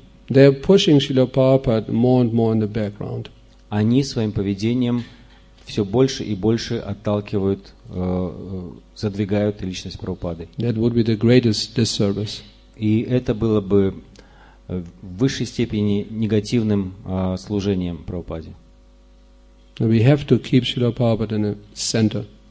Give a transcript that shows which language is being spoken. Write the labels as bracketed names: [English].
[English] they're pushing Srila Prabhupada more and more in the background. [Russian] Они своим поведением все больше и больше отталкивают, задвигают личность Прабхупады. [English] That would be the greatest disservice. [Russian] И это было бы в высшей степени негативным служением Прабхупаде. [English] We have to keep Srila Prabhupada in the center.